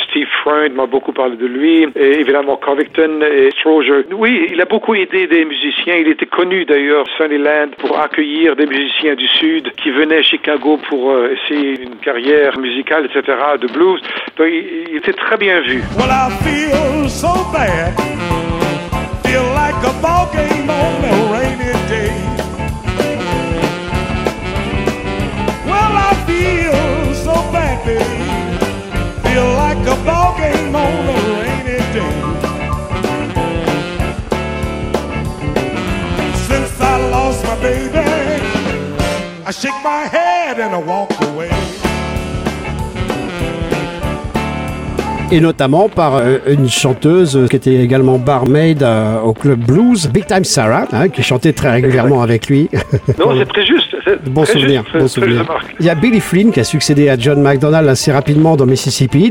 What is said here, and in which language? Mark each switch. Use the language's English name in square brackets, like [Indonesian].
[French] Steve Freund m'a beaucoup parlé de lui, et évidemment Covington et Stroger. Oui, il a beaucoup aidé des musiciens. Il était connu d'ailleurs, Sonny Landslam, pour accueillir des musiciens du sud qui venaient à Chicago pour essayer une carrière musicale, etc., de blues. Donc, il était très bien vu. [English] Well, I feel so bad. Feel like a ball game on a rainy day. Well, I feel so bad, baby. Feel like a ball game on a rainy day. Since I lost my baby, I shake my head and I walk away. [French] Et notamment par une chanteuse qui était également barmaid au club blues, Big Time Sarah, hein, qui chantait très régulièrement avec lui. Non, c'est très juste. Bon souvenir. Il y a Billy Flynn qui a succédé à John McDonald assez rapidement dans Mississippi.